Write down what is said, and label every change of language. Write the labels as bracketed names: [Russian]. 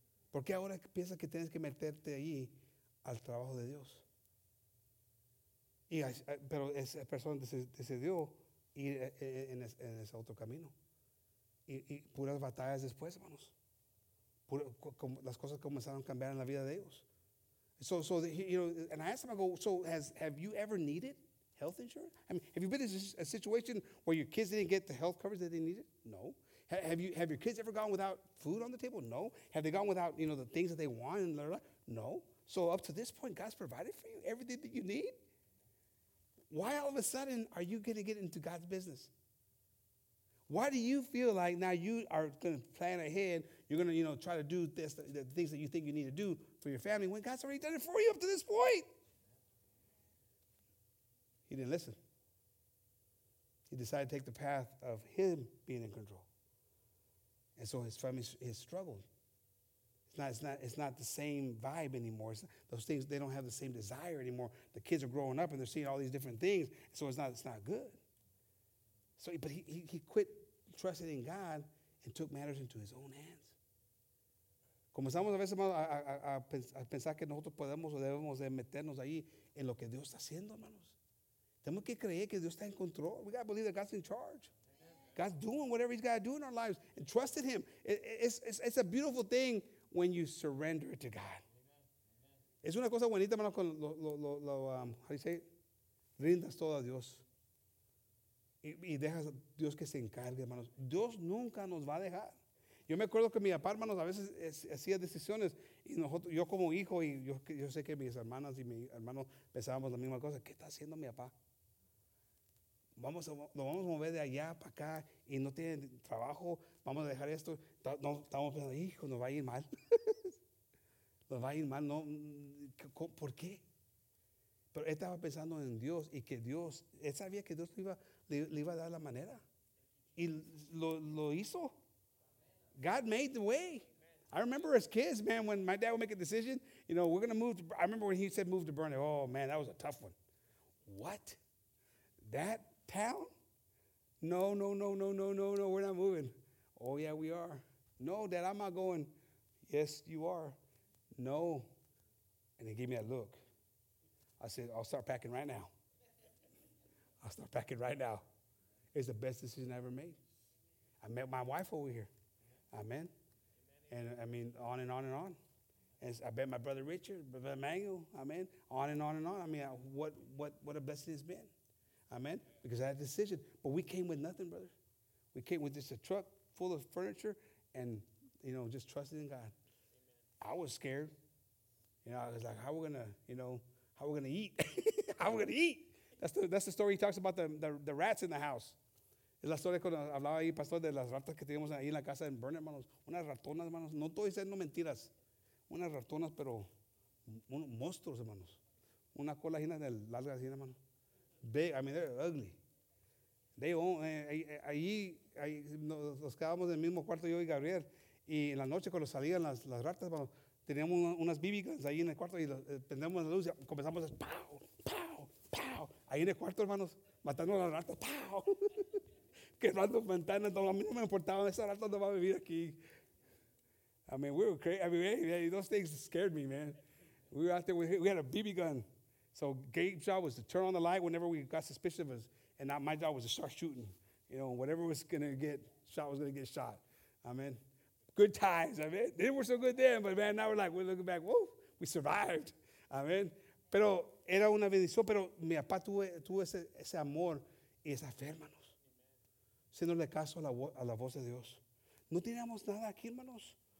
[Spanish] ¿Por qué ahora piensas que tienes que meterte ahí al trabajo de Dios? Pero esa persona decidió ir en ese otro camino. Y puras batallas después, hermanos. Las cosas comenzaron a cambiar en la vida de ellos. [English] So you know, and I asked him, I go, so have you ever needed health insurance? I mean, have you been in a situation where your kids didn't get the health coverage that they needed? No. Have your kids ever gone without food on the table? No. Have they gone without, you know, the things that they want in their life? No. So up to this point, God's provided for you everything that you need. Why all of a sudden are you going to get into God's business? Why do you feel like now you are going to plan ahead, you're going to, you know, try to do this, the things that you think you need to do for your family when God's already done it for you up to this point? He didn't listen. He decided to take the path of him being in control. And so his family has struggled. It's not the same vibe anymore. Those things, they don't have the same desire anymore. The kids are growing up and they're seeing all these different things. So it's not good. So, but he quit trusting in God and took matters into his own hands. [Spanish] Comenzamos a veces a pensar que nosotros podemos o debemos de meternos ahí en lo que Dios está haciendo, hermanos. Tenemos que creer que Dios está en control. [English] We got to believe that God's in charge. God's doing whatever he's got to do in our lives. And trust in him. It's a beautiful thing when you surrender to God. [Spanish] Es una cosa bonita, hermano, con lo [English] how do you say it? [Spanish] Rindas todo a Dios. Y dejas a Dios que se encargue, hermanos. Dios nunca nos va a dejar. Yo me acuerdo que mi papá, hermanos, a veces hacía decisiones. Y nosotros, yo como hijo, y yo sé que mis hermanas y mi hermano pensábamos la misma cosa. ¿Qué está haciendo mi papá? Lo vamos a mover de allá para acá y no tiene trabajo. Vamos a dejar esto. No, estamos pensando, hijo, nos va a ir mal. Nos va a ir mal. No, ¿por qué? Pero él estaba pensando en Dios y que Dios, él sabía que Dios le iba a dar la manera. Y lo hizo. [English] God made the way. I remember as kids, man, when my dad would make a decision, you know, we're going to move. I remember when he said move to Burnet. Oh, man, that was a tough one. What? That town? No, no, no, no, no, no, no. We're not moving. Oh, yeah, we are. No, Dad, I'm not going. Yes, you are. No. And he gave me a look. I said, I'll start packing right now. I'll start packing right now. It's the best decision I ever made. I met my wife over here. Amen. And I mean, on and on and on. And I bet my brother Richard, Brother Emmanuel, amen. On and on and on. I mean, what a blessing it's been. Amen. Because I had a decision. But we came with nothing, brother. We came with just a truck full of furniture and, you know, just trusting in God. Amen. I was scared. You know, I was like, how are we going to eat? How are we going to eat? That's the story he talks about, the rats in the house. [Spanish] Es la historia cuando hablaba ahí, pastor, de las ratas que teníamos ahí en la casa en Burnet, hermanos. Unas ratonas, hermanos. No estoy diciendo mentiras. Unas ratonas, pero unos monstruos, hermanos. Una cola en el larga así, hermano. [English] Big, I mean, they're ugly. They own, [Spanish] ahí nos quedábamos en el mismo cuarto yo y Gabriel. Y en la noche cuando salían las ratas, hermanos, teníamos unas BB guns ahí en el cuarto y prendemos la luz y comenzamos a pow, pow, pow. Ahí en el cuarto, hermanos, matando a las ratas, pow. Quebrando ventanas, a mí no me importaba, esa rata no va a vivir aquí. [English] I mean, we were crazy. I mean, man, those things scared me, man. We were out there, we had a BB gun. So Gabe's job was to turn on the light whenever we got suspicious of us, and my job was to start shooting. You know, whatever was going to get shot was going to get shot. I mean, good times, I mean. They were so good then, but man, now we're like, we're looking back, whoa, we survived. I mean, [Spanish] pero era una bendición, pero mi papá tuvo ese amor y esa fe, hermano. Haciéndole caso a la voz de Dios. No teníamos nada aquí, hermanos.